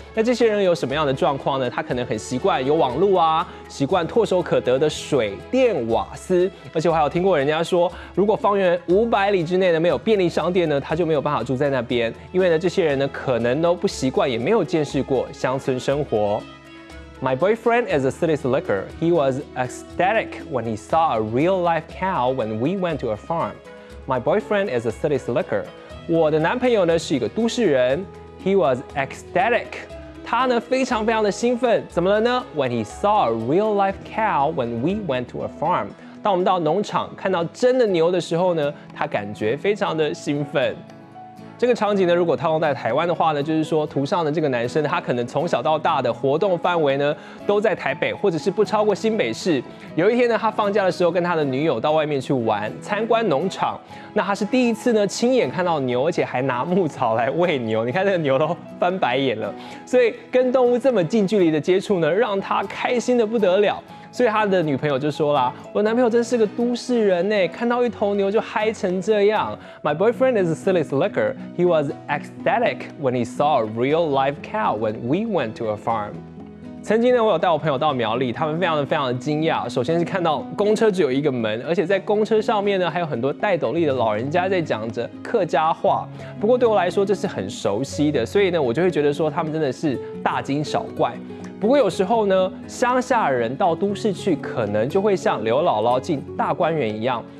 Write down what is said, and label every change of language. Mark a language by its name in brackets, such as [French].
[Chinese] 那这些人有什么样的状况呢？他可能很习惯有网路啊，习惯唾手可得的水电瓦斯，而且我还有听过人家说，如果方圆500里之内呢没有便利商店呢，他就没有办法住在那边，因为呢这些人呢可能都不习惯，也没有见识过乡村生活。 [English] My boyfriend is a city slicker. He was ecstatic when he saw a real life cow when we went to a farm. My boyfriend is a city slicker. [Chinese] 我的男朋友呢是一个都市人。 [English] He was ecstatic. [Chinese] 他呢非常非常的兴奋。怎么了呢 [English] ？When he saw a real life cow when we went to a farm. [Chinese] 当我们到农场看到真的牛的时候呢，他感觉非常的兴奋。这个场景呢，如果套用在台湾的话呢，就是说图上的这个男生，他可能从小到大的活动范围呢都在台北，或者是不超过新北市。有一天呢，他放假的时候跟他的女友到外面去玩，参观农场。那他是第一次呢亲眼看到牛，而且还拿牧草来喂牛。你看那个牛都翻白眼了。所以跟动物这么近距离的接触呢，让他开心的不得了。所以他的女朋友就说啦，我男朋友真是个都市人呢，看到一头牛就嗨成这样。 [English] My boyfriend is a city slicker. He was ecstatic when he saw a real live cow when we went to a farm. [Chinese] 曾经呢，我有带我朋友到苗栗，他们非常的非常的惊讶。首先是看到公车只有一个门，而且在公车上面呢，还有很多戴斗笠的老人家在讲着客家话。不过对我来说，这是很熟悉的，所以呢，我就会觉得说他们真的是大惊小怪。不过有时候呢，乡下人到都市去，可能就会像刘姥姥进大观园一样。